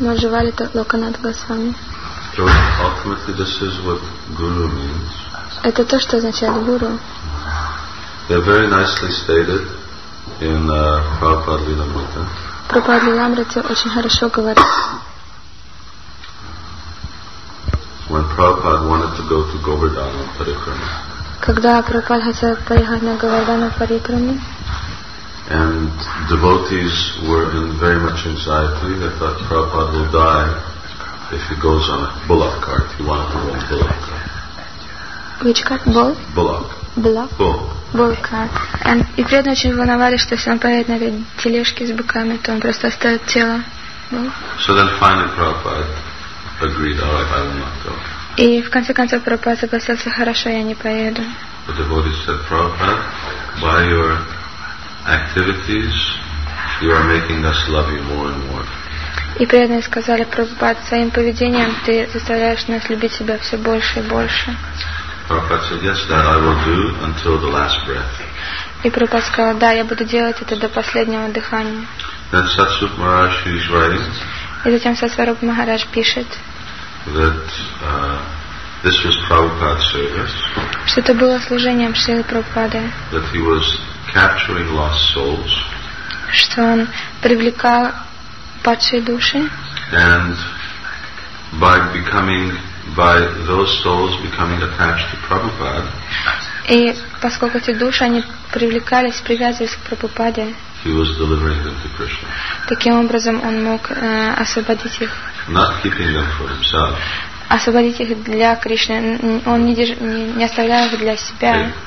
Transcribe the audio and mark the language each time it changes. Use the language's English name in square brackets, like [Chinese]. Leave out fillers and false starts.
[Russian] Манджували это Локанат Госвами. [English] So ultimately this is what guru means. [Russian] Это то, что означает гуру. [English] They're very nicely stated in Prabhupada Lilamrita. [Russian] Прабхупада Лиламрита очень хорошо говорит. [English] When Prabhupada wanted to go to Govardhana Parikrama. [Russian] Когда Прабхупада хотел поехать на Говардхану Парикраму. [English] And devotees were in very much anxiety. They thought Prabhupada will die if he goes on a bullock cart. He wanted to roll a bullock cart. Which cart? Bull? Bullock. Bullock? Bull. Bull cart. [Russian] И преданные очень волновались, что если он поедет на этой тележке с быками, то он просто оставит тело. [English] So then finally Prabhupada agreed, all right, I will not go. [Russian] И в конце концов Прабхупада согласился, хорошо, я не поеду. [English] But the devotees said, Prabhupada, by your activities, you are making us love you more and more. [Russian] И преданные сказали, Прабхупада, своим поведением ты заставляешь нас любить тебя все больше и больше. [English] Prabhupada said, yes, that I will do until the last breath. [Russian] И Прабхупада сказал, да, я буду делать это до последнего дыхания. [English] Then Satsup Maharaj is writing. [Russian] И затем Сатсварупа Махарадж пишет. [English] That this was Prabhupada's service. [Russian] Что это было служением Шрилы Прабхупады. [English] That he was capturing lost souls. [Russian] Что он привлекал падшие души. [English] And by becoming, by those souls becoming attached to Prabhupada. [Russian] И поскольку эти души они привлекались, привязывались к Прабхупаде. [English] He was delivering them to Krishna. [Russian] Таким образом, он мог освободить их. [English] Not keeping them for himself. [Russian] Освободить их для Кришны. Он не оставлял их для себя.